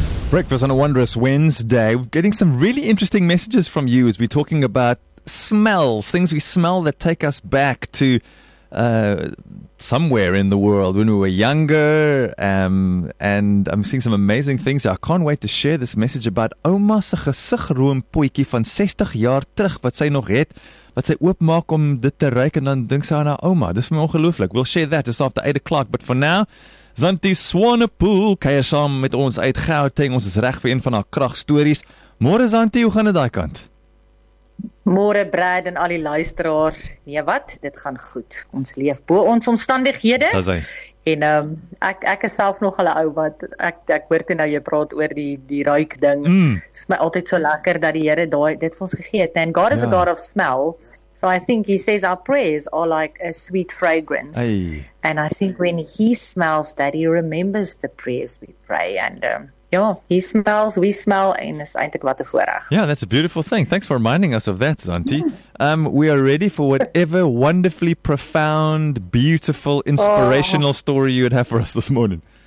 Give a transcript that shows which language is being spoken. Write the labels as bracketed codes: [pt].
[en] Breakfast on a wondrous Wednesday. We're getting some really interesting messages from you as we're talking about smells, things we smell that take us back to somewhere in the world when we were younger. And I'm seeing some amazing things. I can't wait to share this message about [af] Oma se gesigroompotjie van 60 jaar terug wat sy nog het, wat sy oopmaak om dit te ruik en dan dink sy aan haar oma. Dis vir my ongelooflik. [en] We'll share that just after 8 o'clock. But for now, [af] Zanti Swanepoel, kuier saam met ons uit Gauteng. Ons is reg vir een van haar kragstories. Môre Zanti, hoe gaan dit daai kant? Môre Brad en al die luisteraars. Nee, wat? Dit gaan goed. Ons leef bo ons omstandighede. En ek is self nog al 'n ou wat ek hoor toe nou jy praat oor die ruik ding. Dit is my altyd so lekker dat die Here daai dit vir ons gegee het. [en] And God is a God of smell. So I think he says our prayers are like a sweet fragrance. Hey. And I think when he smells that he remembers the prayers we pray and he smells, we smell and [af] is eintlik wat 'n voorreg. [en] Yeah, that's a beautiful thing. Thanks for reminding us of that, Zanti. We are ready for whatever wonderfully profound, beautiful, inspirational story you would have for us this morning.